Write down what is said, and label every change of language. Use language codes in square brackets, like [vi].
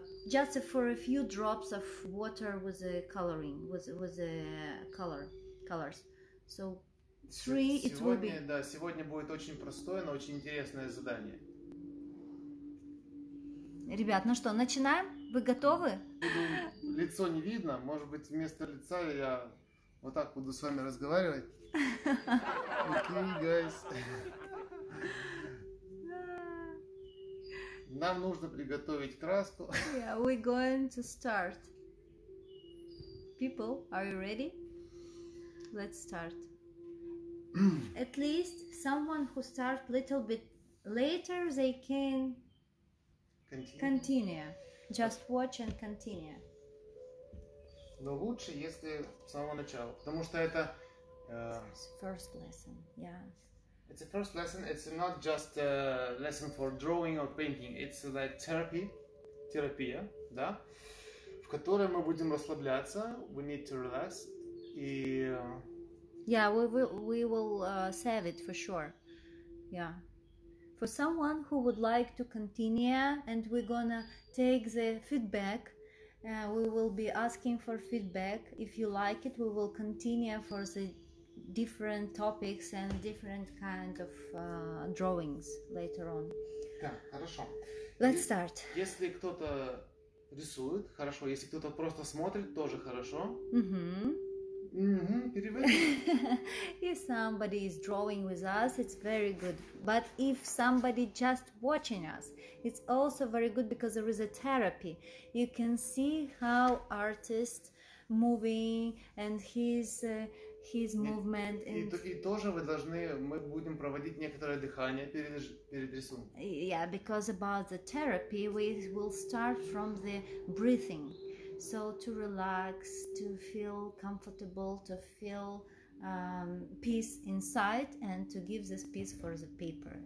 [en] Just for a few drops of water with the coloring, with the colors. So three [ru] сегодня, [en] it will be. [ru] Да, сегодня будет очень простое, но очень интересное задание. Ребят, ну что, начинаем? Вы готовы? Лицо не видно. Может быть, вместо лица я вот так буду с вами разговаривать. [en] Okay, guys. [ru] Нам нужно приготовить краску. [en] Yeah, we're going to start. People, are you ready? Let's start. At least someone who start little bit later, they can... Continue. Just watch and continue. [ru] Но лучше, если с самого начала, потому что это... [en] First lesson, yeah. It's a first lesson, it's not just a lesson for drawing or painting, it's like therapy, [ru] терапия, да? В которой мы будем расслабляться, [en] we need to relax, [ru] и... [en] Yeah, we will save it for sure, yeah. For someone who would like to continue, and we're gonna take the feedback, we will be asking for feedback. If you like it, we will continue for the different topics and different kind of drawings later on. [ru] Так, хорошо. [en] Let's start. [ru] Если кто-то рисует, хорошо. Если кто-то просто смотрит, тоже хорошо. Mm-hmm. Mm-hmm. [en] If somebody is drawing with us, it's very good. But if somebody just watching us, it's also very good because there is a therapy. You can see how artist moving and his movement. [ru] И тоже мы будем проводить некоторое дыхание перед рисунком. [en] Yeah, because about the therapy, we will start from the breathing. So to relax, to feel comfortable, to feel peace inside, and to give this peace for the paper.